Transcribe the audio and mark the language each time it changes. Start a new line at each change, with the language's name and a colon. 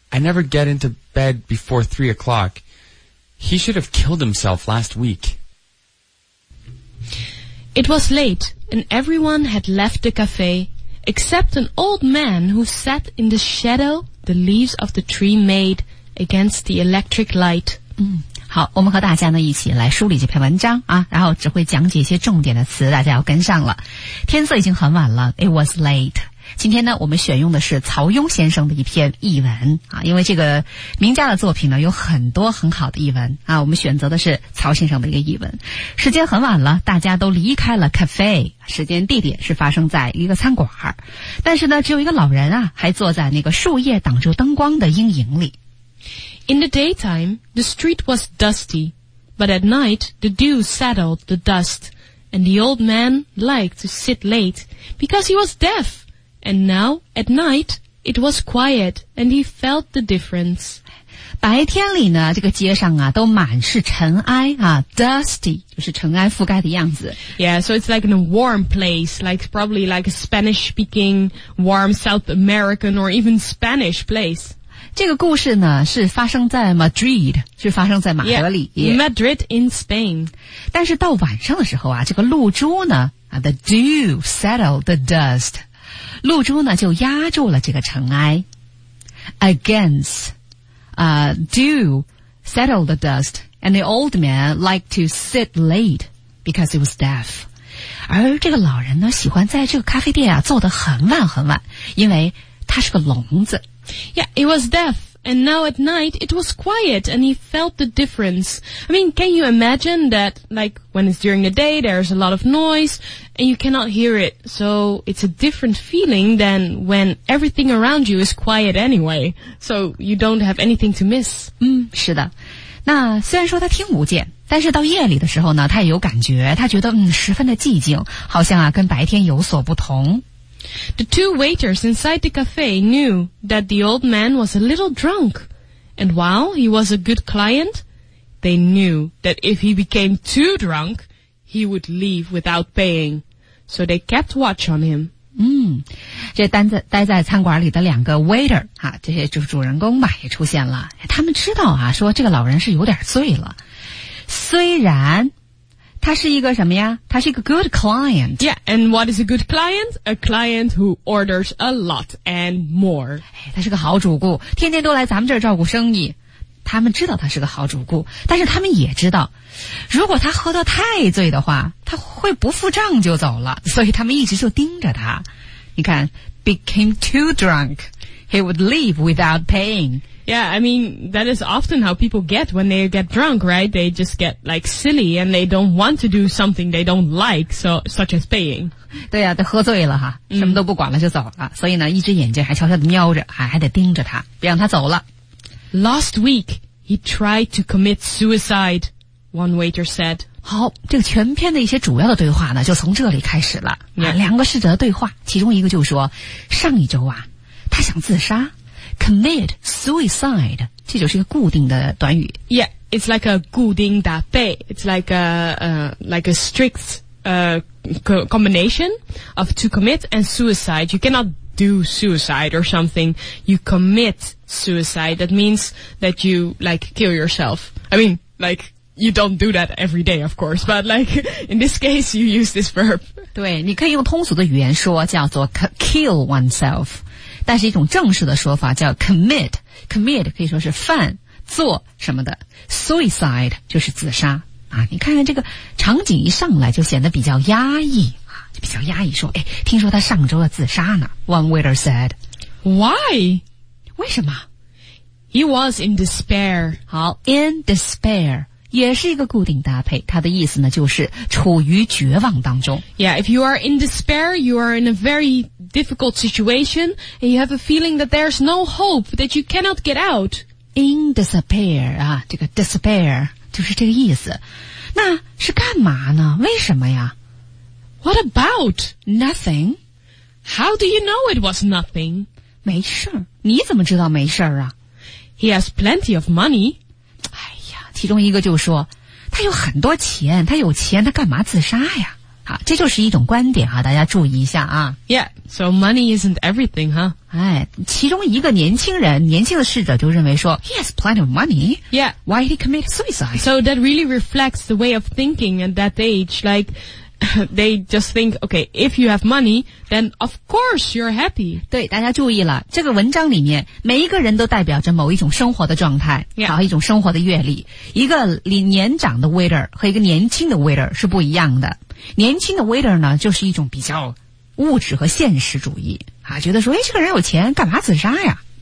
English: I never get into bed before 3 o'clock. He should have killed himself last week. It was late, and everyone had left the cafe, except an old man who sat in the shadow the leaves of the tree made against the electric light.
Chinese: 好，我们和大家呢一起来梳理这篇文章啊，然后只会讲解一些重点的词，大家要跟上了。天色已经很晚了 ，
English: It was late。
Chinese: 今天呢，我们选用的是曹庸先生的一篇译文啊，因为这个名家的作品呢有很多很好的译文啊，我们选择的是曹先生的一个译文。时间很晚了，大家都离开了 cafe， 时间地点是发生在一个餐馆，但是呢，只有一个老人啊，还坐在那个树叶挡住灯光的阴影里。
English: In the daytime, the street was dusty, but at night, the dew settled the dust, and the old man liked to sit late because he was deaf, and now, at night, it was quiet, and he felt the difference.
Chinese: 白天里呢，这个街上啊，都满是尘埃啊 ,dusty, 就是尘埃覆盖的样子。
English: Yeah, so it's like in a warm place, like probably like a Spanish-speaking, warm South American or even Spanish place.
Chinese: 这个故事呢是发生在 Madrid, 是发生在马德里。
English: Yeah, Madrid in Spain.
Chinese: 但是到晚上的时候啊这个露珠呢 ,
English: the dew settled the dust,
Chinese: 露珠呢就压住了这个尘埃。
English: Against, dew settled the dust, and the old man liked to sit late because he was deaf.
Chinese: 而这个老人呢喜欢在这个咖啡店啊坐得很晚很晚因为他是个聋子。
English: Yeah, he was deaf, and now at night it was quiet, and he felt the difference. I mean, can you imagine that, like, when it's during the day, there's a lot of noise, and you cannot hear it. So, it's a different feeling than when everything around you is quiet anyway, so you don't have anything to miss.
Chinese: 是的。那虽然说他听不见但是到夜里的时候呢他也有感觉他觉得十分的寂静好像啊跟白天有所不同。
English: The two waiters inside the cafe knew that the old man was a little drunk, and while he was a good client, they knew that if he became too drunk, he would leave without paying. So they kept watch on him.
Chinese: 这待在餐馆里的两个 waiter, 啊这些就是主人公嘛也出现了。他们知道啊说这个老人是有点醉了。虽然他是一个什么呀他是一个
English: good client. Yeah, and what is a good client? A client who orders a lot and more.
Chinese: 他是个好主顾天天都来咱们这儿照顾生意。他们知道他是个好主顾，但是他们也知道如果他喝得太醉的话他会不付账就走了，所以他们一直就盯着他。你看
English: became too drunk, he would leave without paying. Yeah, I mean, that is often how people get when they get drunk, right? They just get like silly and they don't want to do something they don't like, so, such as paying.
Chinese: 对啊，都喝醉了哈，什么都不管了就走了。所以呢一只眼睛还悄悄地瞄着，还得盯着他，别让他走了。
English: Last week, he tried to commit suicide, one waiter said.
Chinese: 好，这个全篇的一些主要的对话呢就从这里开始了。
English: Yeah.
Chinese: 两个侍者的对话，其中一个就说，上一周啊，他想自杀。
English: Commit suicide,
Chinese: 这就是一个固定的短语。
English: Yeah, it's like a
Chinese: 固定搭配。
English: It's like a strict, combination of to commit and suicide. You cannot do suicide or something. You commit suicide. That means that you, like, kill yourself. I mean, like, you don't do that every day, of course, but like, in this case, you use this verb.
Chinese: 对，你可以用通俗的语言说叫做
English: kill oneself,
Chinese: 但是一种正式的说法叫 commit. Commit 可以说是犯做什么的。Suicide 就是自杀。啊，你看看这个场景一上来就显得比较压抑，就比较压抑说，哎，听说他上周要自杀呢。
English: One waiter said. Why?
Chinese: 为什么？
English: He was in despair.
Chinese: 好，
English: in despair
Chinese: 也是一个固定搭配，它的意思呢就是处于绝望当中。
English: Yeah, if you are in despair, you are in a very difficult situation, and you have a feeling that there's no hope, that you cannot get out. In despair,
Chinese: 啊，这个 despair 就是这个意思。那是干嘛呢？为什么呀？
English: What about? Nothing. How do you know it was nothing?
Chinese: 没事儿，你怎么知道没事儿啊？
English: He has plenty of money.
Chinese: 哎呀，其中一个就说，他有很多钱，他有钱，他干嘛自杀呀？啊，这就是一种观点啊，大家注意一下啊。
English: Yeah, so money isn't everything, huh?
Chinese: 哎，其中一个年轻的侍者就认为说 ,
English: He has plenty of money. Yeah. Why did he commit suicide? So that really reflects the way of thinking at that age, like,They just think, okay, if you have money, then of course you're happy.
Chinese: 对，大家注意了，这个文章里面每一个人都代表着某一种生活的状态，好、 yeah. 一种生活的阅历。一个年长的 waiter 和一个年轻的 waiter 是不一样的。年轻的 waiter 呢，就是一种比较物质和现实主义啊，觉得说，哎，这个人有钱，干嘛自杀呀？